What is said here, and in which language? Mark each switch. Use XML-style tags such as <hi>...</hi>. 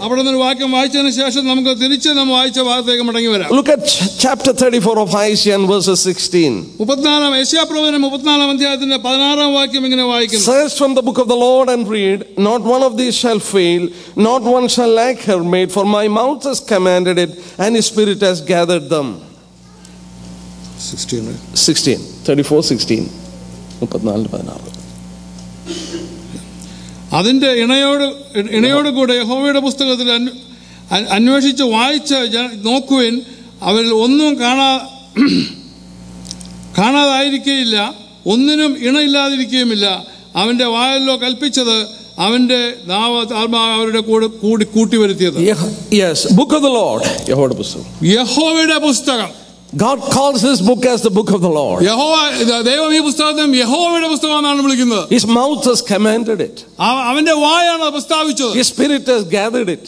<ml>അവിടെ നിന്ന് വാക്യം വായിച്ചതിന് ശേഷം നമുക്ക് തിരിച്ച് നമ്മൾ വായിച്ച ഭാഗത്തേക്ക് മടങ്ങി വരാം.</ml> <en>Look at chapter 34 of Isaiah and verses 16.</en> <ml>34-ാം യെശയ്യാ പ്രവചനം 34-ാം അധ്യായത്തിന്റെ 16-ാം വാക്യം ഇങ്ങനെ വായിക്കുന്നു.</ml> <en>Search from the book of the Lord and read, not one of these shall fail, not one shall lack her maid, for my mouth has commanded it, and his spirit has gathered them. 16, 34, 16. 34-16. 34-16.</en> <ml>അതിന്റെ ഇണയോട് കൂടെ യഹോവയുടെ പുസ്തകത്തിൽ അന്വേഷിച്ച് വായിച്ച് നോക്കുവിൻ, അവരിൽ ഒന്നും കാണാതായിരിക്കയില്ല, ഒന്നിനും ഇണയില്ലാതിരിക്കുകയുമില്ല. അവൻ്റെ വായല്ലോ കൽപ്പിച്ചത്, അവന്റെ ആത്മാവ് അവരുടെ കൂടെ കൂടി കൂട്ടി വരുത്തിയത്</ml> <en>yes book of the Lord</en> <ml>യഹോവയുടെ പുസ്തകം യഹോവയുടെ പുസ്തകം</ml> <en>God calls this book as the book of the Lord.</en> <ml>യഹോവ ദൈവം ഈ പുസ്തകം യഹോവയുടെ പുസ്തകമാണെന്നാണ് വിളിക്കുന്നത്.</ml> <en>His mouth has commanded it.</en> <ml>അവന്റെ വായാണ് പ്രസ്താവിച്ചത്.</ml> <en>His spirit has gathered it.</en>